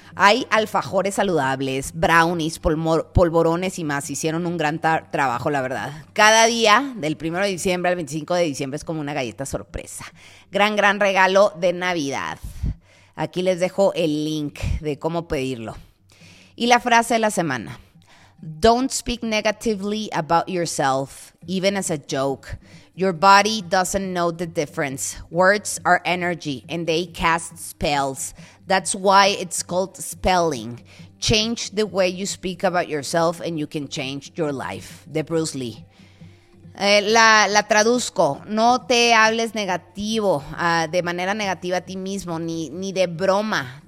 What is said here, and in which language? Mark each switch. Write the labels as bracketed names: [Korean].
[Spanish] Hay alfajores saludables, brownies, polvorones y más. Hicieron un gran trabajo, la verdad. Cada día, del 1 de diciembre al 25 de diciembre, es como una galleta sorpresa. Gran regalo de Navidad. Aquí les dejo el link de cómo pedirlo. Y la frase de la semana: [English] Don't speak negatively about yourself, even as a joke. Your body doesn't know the difference. Words are energy and they cast spells. That's why it's called spelling. Change the way you speak about yourself and you can change your life. [Spanish] De Bruce Lee. La traduzco, no te hables negativo, de manera negativa a ti mismo, ni de broma.